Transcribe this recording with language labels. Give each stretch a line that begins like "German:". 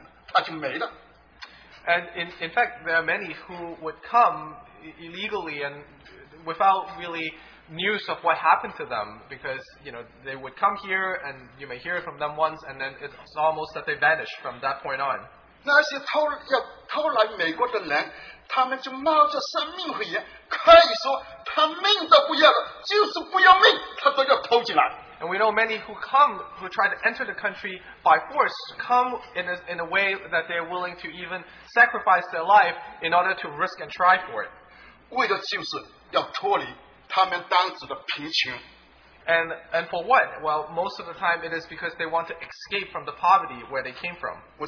Chinese: 在我们里面有好多人，他是偷渡离开的家之后，后来就没有他的消息的。有个家人去打听，他说我在某某地方看见，后来从来就不看见了，他就没了。
English: And in fact, there are many who would come illegally and without really news of what happened to them, because you know they would come here and you may hear from them once, and then it's almost that they vanish from that point on.
Chinese: 那些偷要偷来美国的人，他们就冒着生命危险，可以说他命都不要了，就是不要命，他都要偷进来。
English: And we know many who try to enter the country by force come in a way that they're willing to even sacrifice their life in order to risk and try for it.
Chinese: 为的就是要脱离他们当时的贫穷。
English: And for what? Well, most of the time it is because they want to escape from the poverty where they came from.